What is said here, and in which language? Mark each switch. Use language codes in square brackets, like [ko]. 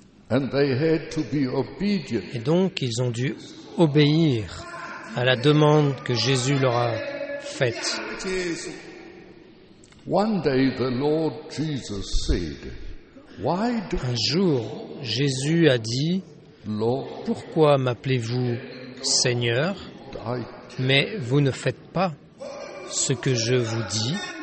[en] And they had to be obedient. [fr] Et donc, ils ont dû obéir à la demande que Jésus leur a faite. [en] One day the Lord Jesus said, "Why do [fr] Un jour, Jésus a dit, [en] Lord, [fr] pourquoi m'appelez-vous Seigneur, mais vous ne faites pas ce que je vous dis?